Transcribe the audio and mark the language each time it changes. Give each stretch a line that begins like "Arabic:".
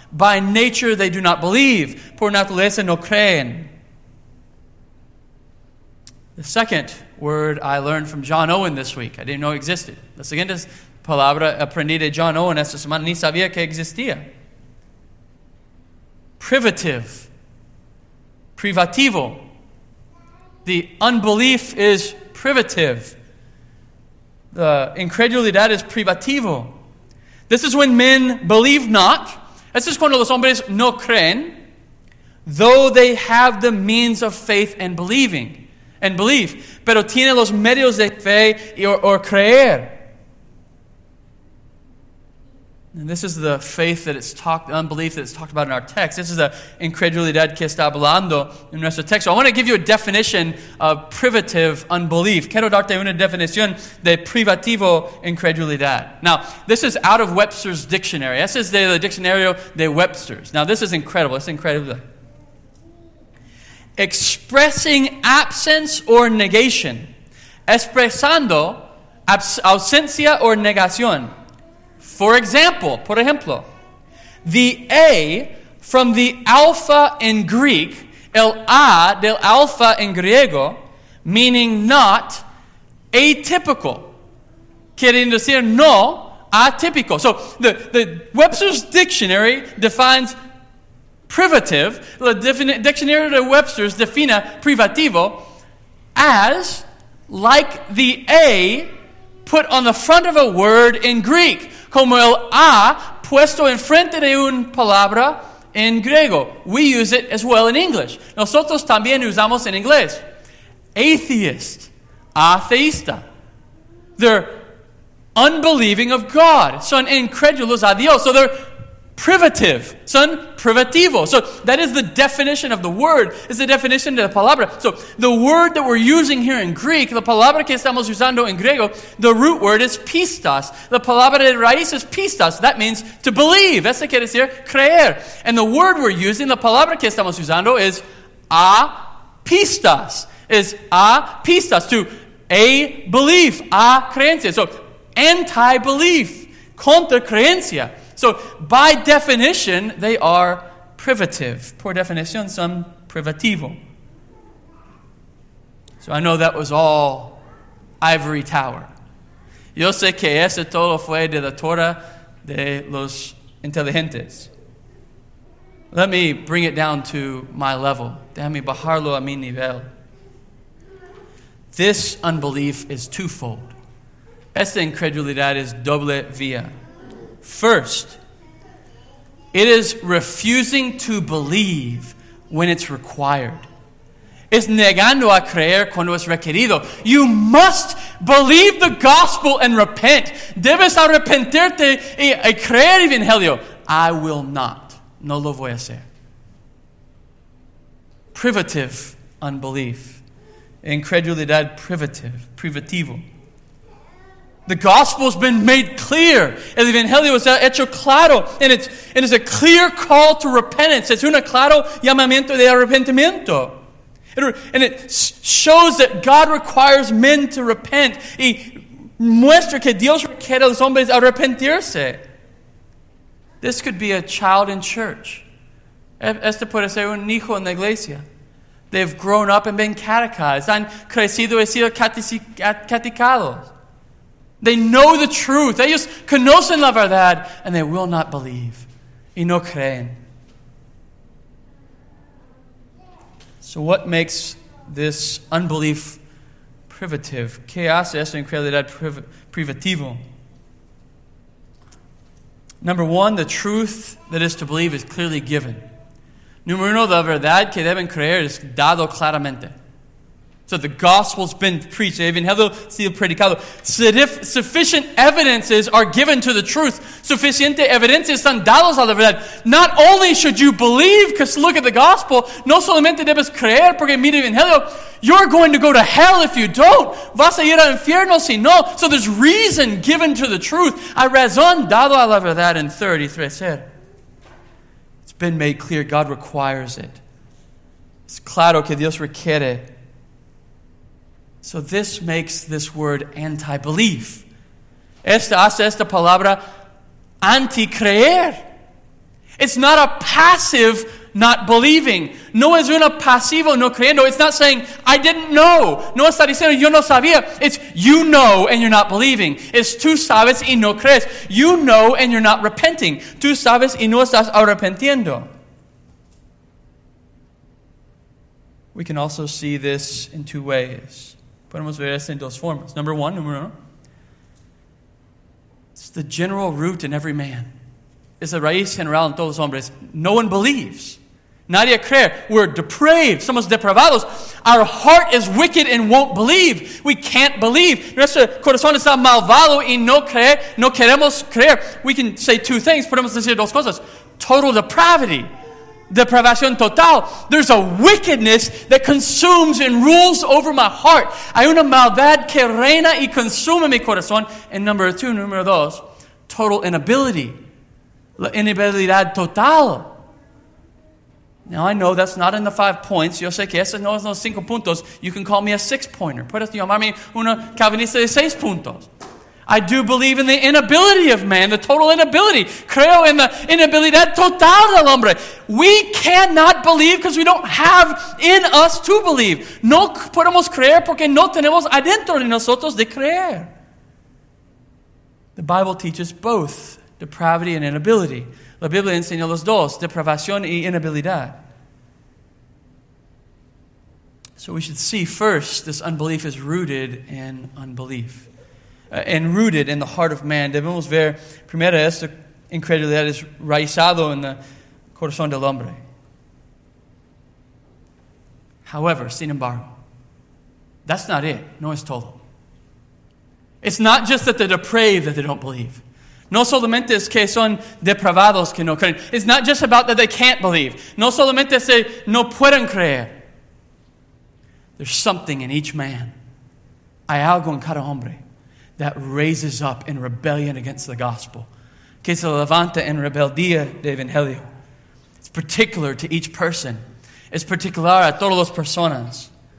English: By nature, they do not believe.
Spanish: Por naturaleza, no creen.
English: The second word I learned from John Owen this week. I didn't know it existed.
Spanish: La siguiente palabra aprendí de John Owen esta semana. Ni sabía que existía.
English: Privative. Privativo. The unbelief is privative. The incredulidad is privativo. This is when men believe not.
Spanish: Esto es cuando los hombres no creen,
English: though they have the means of faith and believing, and belief,
Spanish: pero tienen los medios de fe or creer.
English: And this is the faith that it's talked, unbelief that it's talked about in our text. This is the incredulidad
Spanish: que está hablando en nuestro texto.
English: I want to give you a definition of privative unbelief.
Spanish: Quiero darte una definición de privativo incredulidad.
English: Now, this is out of Webster's dictionary.
Spanish: Este es de la diccionario de Webster's.
English: Now, this is incredible. It's incredible. Expressing absence or negation.
Spanish: Expresando ausencia or negación.
English: For example,
Spanish: por ejemplo,
English: the A from the alpha in Greek, el A del alpha in griego, meaning not atypical,
Spanish: quieren decir no atypical.
English: So the Webster's dictionary defines privative, the dictionary of Webster's define privativo as like the A put on the front of a word in Greek.
Spanish: Como el A puesto en frente de una palabra en griego.
English: We use it as well in English.
Spanish: Nosotros también usamos en inglés.
English: Atheist. Atheista. They're unbelieving of God.
Spanish: Son incrédulos a Dios.
English: So they're privative.
Spanish: Son privativo.
English: So that is the definition of the word. It's the definition
Spanish: de la palabra.
English: So the word that we're using here in Greek,
Spanish: la palabra que estamos usando en griego,
English: the root word is pistas.
Spanish: La palabra de raíz is pistas.
English: That means to believe.
Spanish: Eso quiere decir creer.
English: And the word we're using,
Spanish: la palabra que estamos usando,
English: is a pistas. Is a pistas. To a belief.
Spanish: A creencia.
English: So anti-belief.
Spanish: Contra creencia.
English: So, by definition, they are privative.
Spanish: Por definición, son privativo.
English: So, I know that was all ivory tower.
Spanish: Yo sé que ese todo fue de la Torah de los inteligentes.
English: Let me bring it down to my level.
Spanish: Déjame bajarlo a mi nivel.
English: This unbelief is twofold.
Spanish: Esta incredulidad es doble vía.
English: First, it is refusing to believe when it's required.
Spanish: Es negando a creer cuando es requerido.
English: You must believe the gospel and repent.
Spanish: Debes arrepentirte y creer evangelio.
English: I will not.
Spanish: No lo voy a hacer.
English: Privative unbelief.
Spanish: Incredulidad privative.
English: Privativo. The gospel's been made clear.
Spanish: El evangelio está hecho claro.
English: And it is a clear call to repentance.
Spanish: Es un claro llamamiento de arrepentimiento.
English: And it shows that God requires men to repent.
Spanish: Y muestra que Dios requiere a los hombres arrepentirse.
English: This could be a child in church.
Spanish: Este puede ser un hijo en la iglesia.
English: They've grown up and been catechized.
Spanish: Han crecido y sido catecados.
English: They know the truth.
Spanish: Ellos conocen la verdad.
English: And they will not believe.
Spanish: Y no creen.
English: So what makes this unbelief privative?
Spanish: ¿Qué hace esta incredulidad privativo?
English: Number one, the truth that is to believe is clearly given.
Spanish: Número uno, la verdad que deben creer es dado claramente.
English: So the gospel's been preached.
Spanish: Even Evangelio sido predicado.
English: Sufficient evidences are given to the truth.
Spanish: Suficiente evidencias están dadas a la verdad.
English: Not only should you believe, because look at the gospel,
Spanish: no solamente debes creer porque mira Evangelio,
English: you're going to go to hell if you don't.
Spanish: Vas a ir al infierno si no.
English: So there's reason given to the truth.
Spanish: Hay razón dado a la verdad en 33.
English: It's been made clear. God requires it.
Spanish: Es claro que Dios requiere.
English: So this makes this word anti-belief.
Spanish: Esta hace esta palabra anti-creer.
English: It's not a passive not believing.
Spanish: No es una pasivo no creyendo.
English: It's not saying, I didn't know.
Spanish: No está diciendo, yo no sabía.
English: It's, you know, and you're not believing.
Spanish: Es tú sabes y no crees.
English: You know, and you're not repenting.
Spanish: Tú sabes y no estás arrepentiendo.
English: We can also see this in two ways.
Spanish: Podemos ver esto en dos formas.
English: Number one,
Spanish: número uno.
English: It's the general root in every man.
Spanish: Es la raíz general en todos los hombres.
English: No one believes.
Spanish: Nadie cree.
English: We're depraved.
Spanish: Somos depravados.
English: Our heart is wicked and won't believe. We can't believe.
Spanish: Nuestro corazón está malvado y no cree. No queremos creer.
English: We can say two things.
Spanish: Podemos decir dos cosas.
English: Total depravity.
Spanish: Depravación total.
English: There's a wickedness that consumes and rules over my heart.
Spanish: Hay una maldad que reina y consume mi corazón.
English: And number two,
Spanish: número dos,
English: total inability.
Spanish: La inhabilidad total.
English: Now I know that's not in the 5 points.
Spanish: Yo sé que eso no es los 5 puntos.
English: You can call me a 6-pointer.
Spanish: Puedes llamarme una calvinista de 6 puntos.
English: I do believe in the inability of man, the total inability.
Spanish: Creo en la inhabilidad total del hombre.
English: We cannot believe because we don't have in us to believe.
Spanish: No podemos creer porque no tenemos adentro de nosotros de creer.
English: The Bible teaches both depravity and inability.
Spanish: La Biblia enseña los dos, depravación y inhabilidad.
English: So we should see first, this unbelief is rooted in unbelief. And rooted in the heart of man.
Spanish: Debemos ver, primero, esta incredulidad es raizado en el corazón del hombre.
English: However,
Spanish: sin embargo,
English: that's not it.
Spanish: No es todo.
English: It's not just that they're depraved that they don't believe.
Spanish: No solamente es que son depravados que no creen.
English: It's not just about that they can't believe.
Spanish: No solamente es que no pueden creer.
English: There's something in each man.
Spanish: Hay algo en cada hombre.
English: That raises up in rebellion against the gospel.
Spanish: Que se levanta en rebeldía de evangelio.
English: It's particular to each person. It's particular
Spanish: a todas las personas.